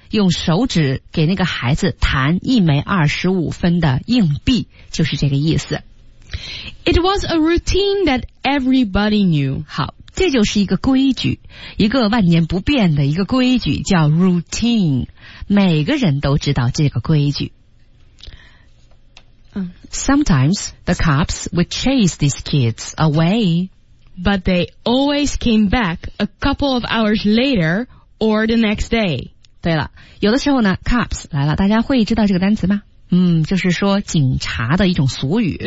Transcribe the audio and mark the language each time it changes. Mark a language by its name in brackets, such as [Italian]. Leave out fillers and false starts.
[Chinese] 用手指给那个孩子弹一枚25分的硬币，就是这个意思。 [English] It was a routine that everybody knew. [Chinese] 好，这就是一个规矩，一个万年不变的一个规矩，叫 routine， 每个人都知道这个规矩。 [English] Sometimes the cops would chase these kids away, but they always came back a couple of hours later or the next day. [Chinese] 对了，有的时候呢 cops 来了，大家会知道这个单词吗？就是说警察的一种俗语。